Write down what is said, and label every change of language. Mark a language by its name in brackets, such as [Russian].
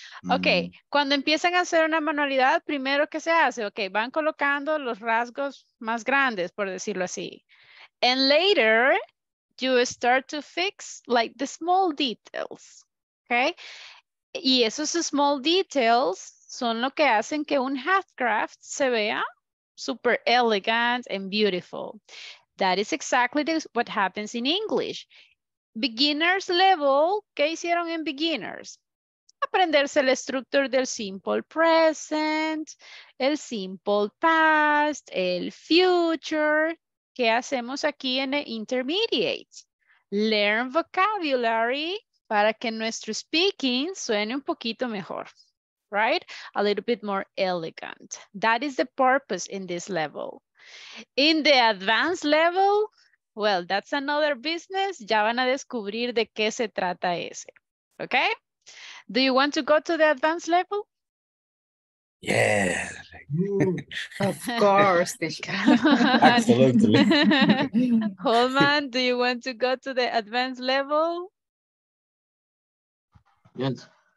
[Spanish] Okay, cuando empiezan a hacer una manualidad, primero que se hace, okay, van colocando los rasgos más grandes, por decirlo así. [English] And later, you start to fix like the small details, okay? [Spanish] Y esos [English] small details [Spanish] son lo que hacen que un handcraft se vea [English] super elegant and beautiful. That is exactly what happens in English. Beginners level, [Spanish] ¿qué hicieron en [English] beginners? [Spanish] Aprenderse la estructura del simple present, el simple past, el future. ¿Qué hacemos aquí en el intermediate? [English] Learn vocabulary [Spanish] para que nuestro speaking suene un poquito mejor, right? [English] A little bit more elegant. That is the purpose in this level. In the advanced level, well, that's another business. [Spanish] Ya van a descubrir de qué se trata ese. [English] Okay? Do you want to go to the advanced level? Yes. Of course. Absolutely. Holman, do you want to go to the advanced level? Yes.